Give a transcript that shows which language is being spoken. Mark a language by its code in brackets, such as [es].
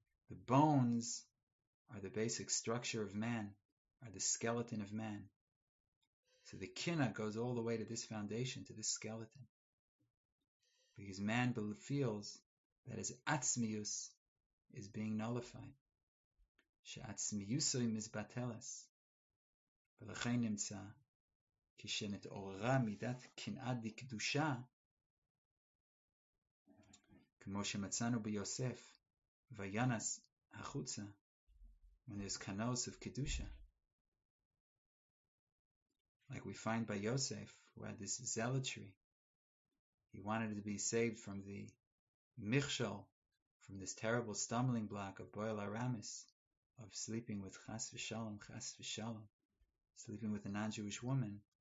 [en] The bones are the basic structure of man, are the skeleton of man. So the kina goes all the way to this foundation, to this skeleton. Because man feels that his atzmius is being nullified. [he] She'atzmiusoi mizbatelas. ולכן נמצא כשנתעוררה מידת קנאה דקדושה כמו שמצאנו ביוסף וינס החוצה [en] when there's kanos of kedusha. Like we find by Yosef who had this zealotry. He wanted to be saved from the michshol, from this terrible stumbling block of boil aramis, of sleeping with chas v'shalom, sleeping with a non-Jewish woman.